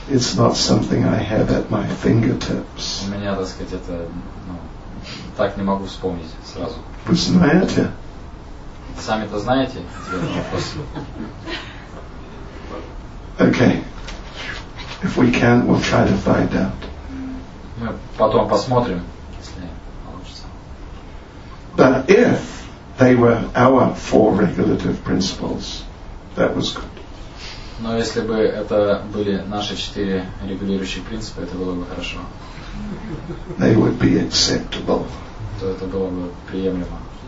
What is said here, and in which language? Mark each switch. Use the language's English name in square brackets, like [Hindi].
[English] It's not something I have at my fingertips. [Russian] У меня, так сказать, это, ну, так не могу вспомнить сразу. Вы знаете? Сами-то знаете ответ на вопрос? [English] Okay. If we can, we'll try to find out. [Russian] Мы потом посмотрим, если получится. [English] But if they were our four regulative principles, that was good. [Russian] Но если бы это были наши четыре регулирующие принципы, это было бы хорошо. [English] They would be acceptable. [Russian] То это было бы приемлемо.